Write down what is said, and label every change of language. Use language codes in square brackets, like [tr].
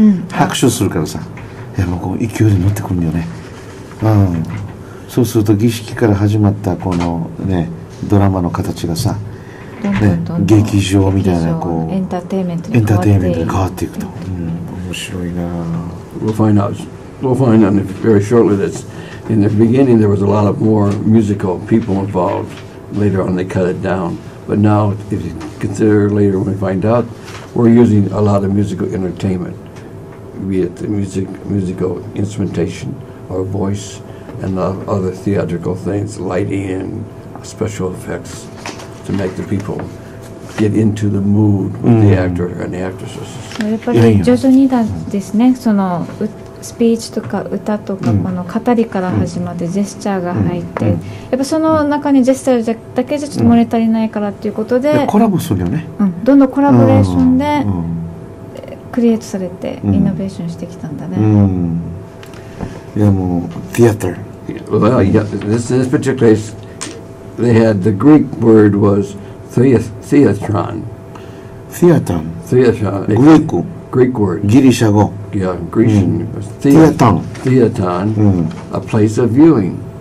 [ja] 拍手するからさ、やっぱこう勢いで乗ってくるんだよね。そうすると儀式から始まったこのねドラマの形がさ、どんどん劇場みたいなこうエンターテインメントに変わっていくと。面白いな。 [en] We'll find out very shortly that in the beginning there was a lot of more musical people involved. Later on they cut it down. But now, if you consider later when we find out, we're using a lot of musical entertainment, be it the musical instrumentation or voice and other theatrical things, lighting and special effects to make the people get into the mood with the actor and the actresses. [ja] スピーチとか歌とかこの語りから始まってジェスチャーが入ってやっぱその中にジェスチャーだけじゃちょっと漏れ足りないからっていうことでコラボするよね、どんどんコラボレーションでクリエイトされてイノベーションしてきたんだね、いやもうティアター [en] well, yeah, this particular case they had the Greek word was theatron theatron theatron Greek word [ja] ギリシャ語 [en] Yeah, Grecian. Theaton. Theaton. A place of viewing.